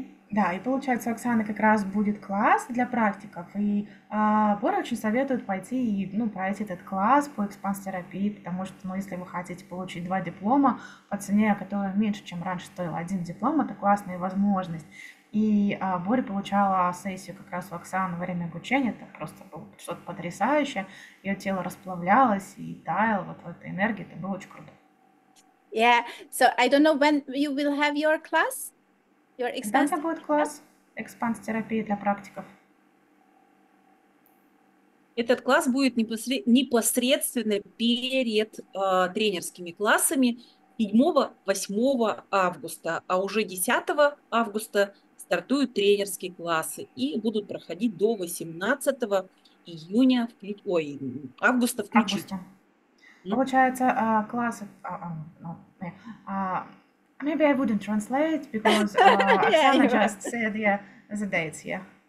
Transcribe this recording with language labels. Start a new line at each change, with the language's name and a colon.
Russian: Да, и получается, у Оксаны как раз будет класс для практиков, и Бора очень советует пойти и, ну, пройти этот класс по экспанс-терапии, потому что, ну, если вы хотите получить 2 диплома по цене, которая меньше, чем раньше стоила 1 диплом, это классная возможность. И Боря получала сессию как раз у Оксаны во время обучения, это просто было что-то потрясающее, ее тело расплавлялось и таяло вот в этой энергии, это было очень круто.
English: Yeah, so I don't know when you will have your class, your
Russian: Когда у
English: expense
Russian: тебя будет класс экспанс-терапии для практиков? Этот класс будет непосредственно перед тренерскими классами 7-8 августа, а уже 10 августа стартуют тренерские классы и будут проходить до 18 июня, ой, августа Августа. включительно. Получается, класс...
English: Maybe I wouldn't translate because Oksana just said the dates here.